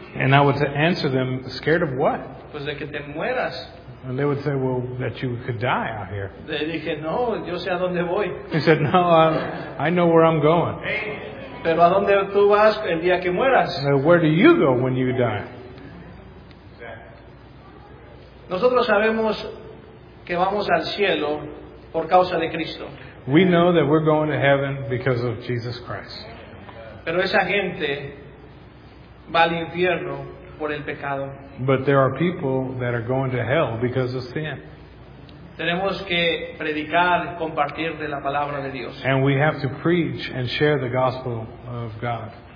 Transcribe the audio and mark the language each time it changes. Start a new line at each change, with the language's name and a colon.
English: And I would answer them, scared of what?
Spanish: Pues de que te mueras.
English: And they would say, well, that you could die out here.
Spanish: Le dije, no, yo sé a dónde voy.
English: He said, no, I know where I'm going.
Spanish: Pero a dónde tú vas el día que mueras.
English: Where do you go when you die?
Spanish: Nosotros sabemos que vamos al cielo por causa de Cristo.
English: We know that we're going to heaven because of Jesus Christ.
Spanish: Pero esa gente va al infierno por el pecado.
English: But there are people that are going to hell because of sin.
Spanish: Tenemos que predicar, compartir de la palabra de Dios.
English: And we have to preach and share the gospel of God.